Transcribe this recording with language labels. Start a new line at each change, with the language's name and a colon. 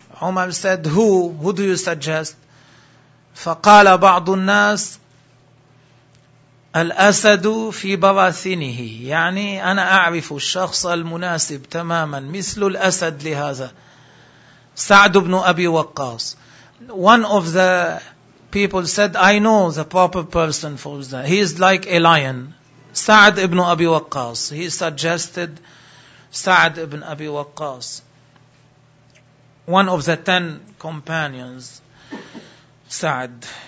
English: عمر said, who do you suggest?
Arabic: فقال بعض الناس الأسد في براثنه. يعني أنا أعرف الشخص المناسب تماما, مثل الأسد لهذا. سعد بن أبي وقاص.
English: One of the people said, I know the proper person for that. He is like a lion. Sa'd ibn Abi Waqqas. He suggested Sa'd ibn Abi Waqqas. One of the 10 companions. Sa'd.